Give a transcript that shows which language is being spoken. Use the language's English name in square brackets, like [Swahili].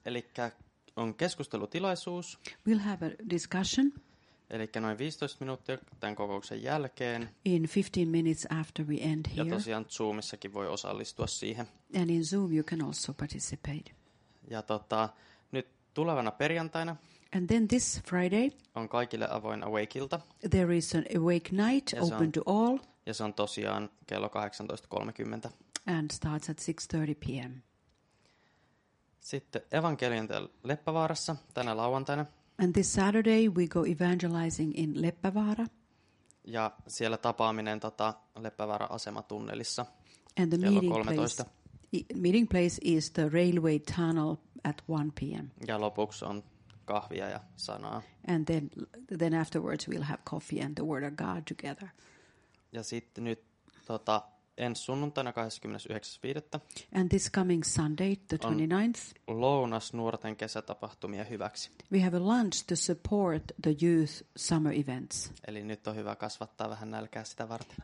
[Finnish] Elikkä on keskustelutilaisuus. [English] We'll have a discussion. [Finnish] Elikkä noin 15 minuuttia tämän kokouksen jälkeen. [English] In 15 minutes after we end here. [Finnish] Ja tosiaan Zoomissakin voi osallistua siihen. [English] And in Zoom you can also participate. [Finnish] Ja nyt tulevana perjantaina. [English] And then this Friday. [Finnish] On kaikille avoin Awakeilta. [English] There is an Awake night open to all. [Finnish] Ja se on tosiaan kello 18.30. [English] And starts at 6:30 p.m. [Finnish] Sitten evankeliointi Leppävaarassa tänä lauantaina. [English] And this Saturday we go evangelizing in Leppävaara. [Finnish] Ja siellä tapaaminen Leppävaara asematunnelissa. [English] And the meeting place, meeting place is the railway tunnel at 1 p.m. [Finnish] Ja lopuksi on kahvia ja sanaa. [English] And then afterwards we'll have coffee and the word of God together. [Finnish] Ja sitten nyt ensi sunnuntaina 29.5. [English] And this coming Sunday, the 29th. [Finnish] Lounas nuorten kesätapahtumia hyväksi. [English] We have a lunch to support the youth summer events. [Finnish] Eli nyt on hyvä kasvattaa vähän nälkää sitä varten.